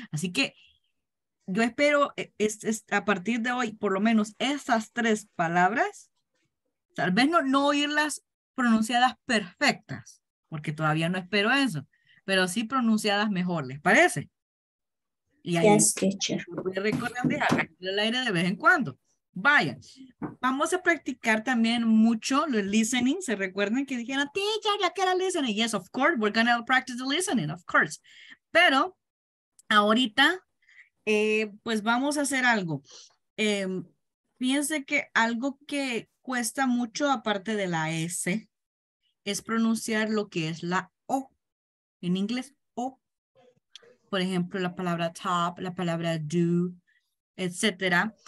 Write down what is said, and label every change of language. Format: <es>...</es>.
<es>Así que yo espero a partir de hoy, por lo menos esas tres palabras, tal vez no oírlas pronunciadas perfectas, porque todavía no espero eso, pero sí pronunciadas mejor, ¿les parece? Y ahí,</es> <en>yes, teacher.</en> <es>Recordando dejar el aire de vez en cuando. Vaya, vamos a practicar también mucho el listening. ¿Se recuerdan que dijeron, teacher, ya quiero listening?</es> <en>Yes, of course, we're going to practice the listening, of course.</en> <es>Pero ahorita, pues vamos a hacer algo. Fíjense que algo que cuesta mucho, aparte de la S, es pronunciar lo que es la O en inglés. Por ejemplo, la palabra top, la palabra do, etcétera.</es>